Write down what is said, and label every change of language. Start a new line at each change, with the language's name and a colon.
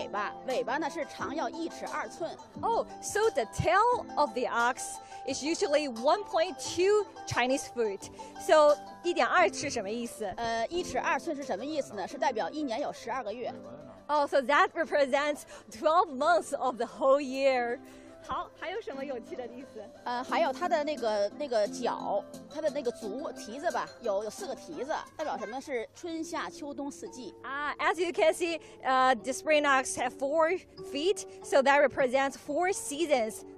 Chinese: 还有什么讲究？还有这个牛的这个尾巴，有一个尾巴，尾巴呢是长要1尺2寸。
English: Oh, so the tail of the ox is usually 1.2 Chinese foot.
Chinese: So 1.2尺什么意思？ 1尺2寸是什么意思呢?是代表一年有12个月。
English: Oh, so that represents 12 months of the whole year.
Chinese: 好，还有什么有趣的意思？还有它的那个脚，它的那个足蹄子吧，有四个蹄子，代表什么呢？是春夏秋冬四季。As
English: you can see, the spring ox have 4 feet, so that represents 4 seasons.